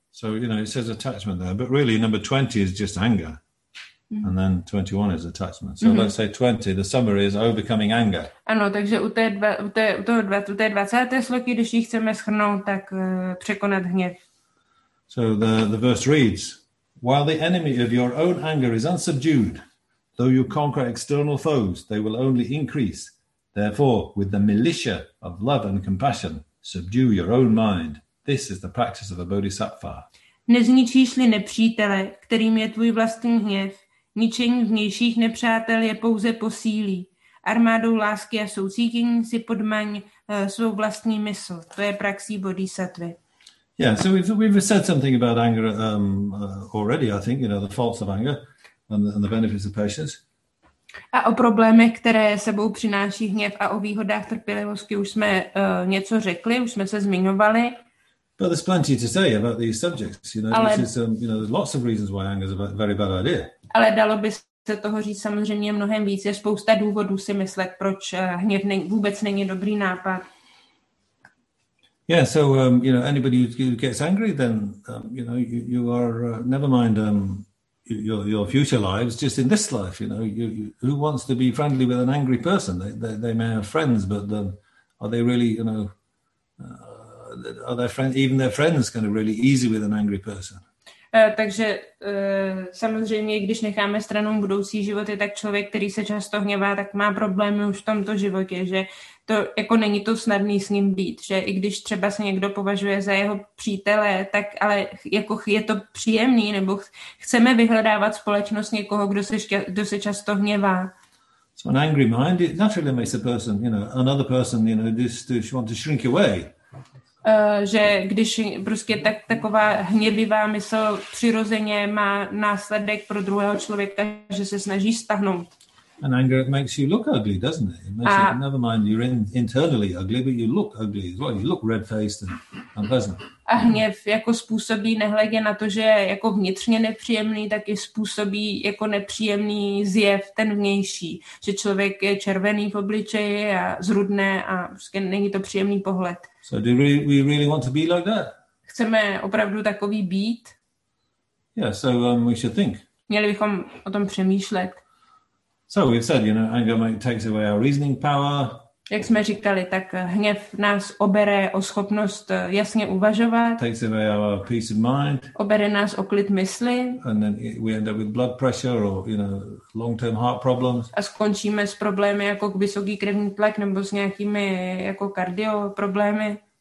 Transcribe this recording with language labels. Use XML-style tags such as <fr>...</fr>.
<en>So, you know, it says attachment there, but really number 20 is just anger. Mm-hmm. And then 21 is attachment. So let's say 20, the summary is overcoming anger.</en> <cs>Ano, takže u té 20. sloky, když ji chceme shrnout, tak překonat hněv.</cs> <en>So the verse reads, while the enemy of your own anger is unsubdued, though you conquer external foes, they will only increase. Therefore, with the militia of love and compassion, subdue your own mind. This is the practice of a bodhisattva.</en> <cs>Nezničíš-li nepřítele, kterým je tvůj vlastní hněv, ničení vnějších nepřátel je pouze posílí. Armádou lásky a soucítění si podmaň svou vlastní mysl. To je praxí bodhisattvy.</cs> <en>Yeah, so we've said something about anger already, I think, you know, the faults of anger and the benefits of patience.</en> <cs>A o problémech, které sebou přináší hněv a o výhodách trpělivosti už jsme něco řekli, už jsme se zmiňovali.</cs> <en>But there's plenty to say about these subjects, you know. Ale, which is, you know, there's lots of reasons why anger is a very bad idea.</en> <cs>Ale dalo by se toho říct samozřejmě mnohem víc. Je spousta důvodů si myslet, proč hněv vůbec není dobrý nápad.</cs> <en>Yeah, so you know, anybody who gets angry, then you know, you are never mind your future lives, just in this life. You know, who wants to be friendly with an angry person? They may have friends, but are they really, you know? Are their friends, even their friends, kind of really easy with an angry person?</en> <cs>Takže samozřejmě, když necháme stranou budoucí životy, tak člověk, který se často hněvá, tak má problémy už v tomto životě, že to jako není to snadný s ním být, že i když třeba se někdo považuje za jeho přítele, tak ale jako je to příjemný, nebo chceme vyhledávat společnost někoho, kdo se často hněvá.</cs> <en>So an angry mind, it naturally makes a person, you know, another person, you know, just to want to shrink away.</en> <cs>Že když prostě tak, taková hněvivá mysl přirozeně má následek pro druhého člověka, že se snaží stáhnout.</cs> <en>And anger makes you look ugly, doesn't it? Never mind, you're internally ugly, but you look ugly as well. You look red-faced and unpleasant.</en> <cs>A hněv jako způsobí, nehledě na to, že je jako vnitřně nepříjemný, tak i způsobí jako nepříjemný zjev, ten vnější. Že člověk je červený v obličeji a zrudné a prostě není to příjemný pohled.</cs> <en>So do we really want to be like that?</en> <cs>Chceme opravdu takový být?</cs> <en>Yeah, so we should think.</en> <cs>Měli bychom o tom přemýšlet.</cs> <en>So we've said, you know, anger takes away our reasoning power.</en> <cs>Jak jsme říkali, tak hněv nás obere o schopnost jasně uvažovat.</cs> <en>Takes away our peace of mind.</en> <cs>Obere nás o klid mysli.</cs> <en>And then we end up with blood pressure or, you know, long-term heart problems.</en> <cs>A skončíme s problémy jako vysoký krevní tlak nebo s nějakými jako kardio problémy.</cs>